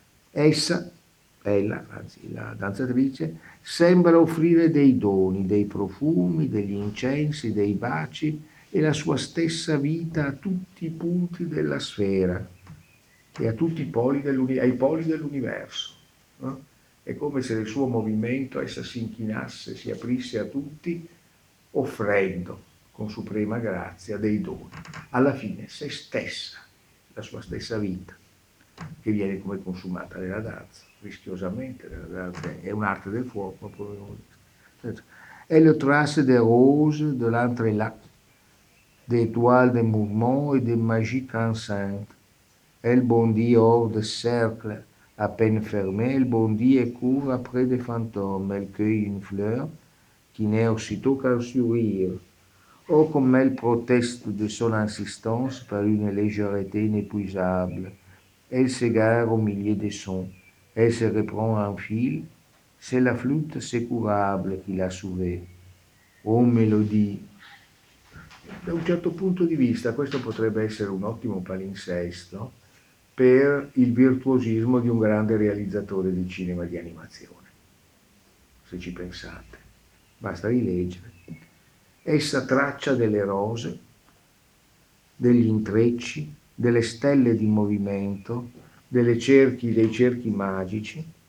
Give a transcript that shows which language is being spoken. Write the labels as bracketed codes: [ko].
[it] Essa, ella, anzi la danzatrice, sembra offrire dei doni, dei profumi, degli incensi, dei baci e la sua stessa vita a tutti i punti della sfera e a tutti i poli, ai poli dell'universo. No? È come se il suo movimento, essa si inchinasse, si aprisse a tutti, offrendo con suprema grazia dei doni. Alla fine, se stessa, la sua stessa vita, che viene come consumata nella danza, rischiosamente, è un'arte del fuoco, è [fr] le trace de rose de l'entrela, des toiles de mouvement et de magique enceinte, elle bondit hors de cercle à peine fermé, elle bondit et court après des fantômes, elle cueille une fleur qui n'est aussitôt qu'un sourire, oh comme elle proteste de son insistance par une légèreté inépuisable, elle s'égare au milieu des sons, elle se reprend en fil, c'est la flûte sécurable qui l'a sauvée. Oh mélodie! [it] Da un certo punto di vista, questo potrebbe essere un ottimo palinsesto per il virtuosismo di un grande realizzatore di cinema di animazione, se ci pensate. Basta rileggere. Essa traccia delle rose, degli intrecci, delle stelle di movimento, dei cerchi magici.